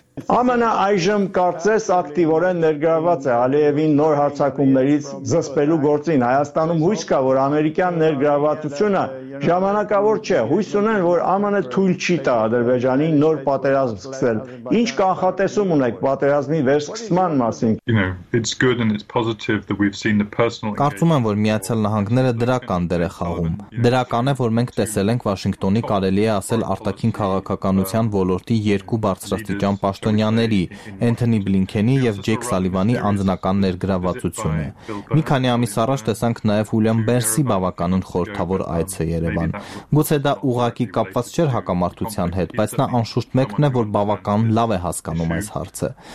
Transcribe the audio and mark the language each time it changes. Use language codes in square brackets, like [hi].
[hy] ԱՄՆ-ը կարծես ակտիվորեն ներգրավված է Ալիևին նոր հարձակումներից զսպելու գործին։ Հայաստանում հույս կա, որ ամերիկյան ներգրավվածությունը Ժամանակավոր չէ, հույս ունեն, որ ԱՄՆ-ը թույլ չի տա Ադրբեջանի նոր պատերազմ սկսել։ Ինչ կանխատեսում ունեք պատերազմի վերսկսման մասին։ [en] It's good and it's positive that we've seen the personal [hy] Կարծում եմ, որ Միացյալ Նահանգները դրական դեր է խաղում։ Դրական է, որ մենք տեսել ենք Վաշինգտոնի կարելի է ասել արտաքին քաղաքականության ոլորտի երկու բարձրաստիճան պաշտոնյաների՝ Էնթոնի Բլինքենի եւ Ջեյք Սալիվանի անձնական ներգրավվածությունը։ Մի քանի ամիս առաջ տեսանք նաեւ Ուլյամ Բերսի բավականին խորթավոր այցը Երևան։ Գուցե դա ուղակի կապված չէր հակամարտության հետ, բայց նա անշուշտ մեկն է, որ բավական լավ է հասկանում այս հարցը։